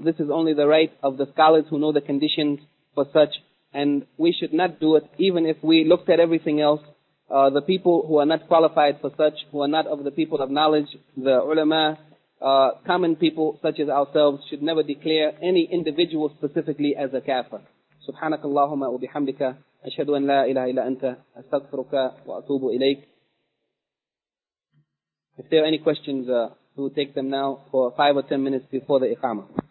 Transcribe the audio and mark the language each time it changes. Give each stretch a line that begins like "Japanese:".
English: This is only the right of the scholars who know the conditions for such. And we should not do it, even if we looked at everything else. The people who are not qualified for such, who are not of the people of knowledge, the ulama, common people such as ourselves, should never declare any individual specifically as a kafir.
Arabic: سبحانك اللهم وبحمدك أشهد أن لا إله إلا أنت أستغفرك وأتوب إليك.
English: If there are any questions, we will take them now for 5 or 10 minutes before the Iqama.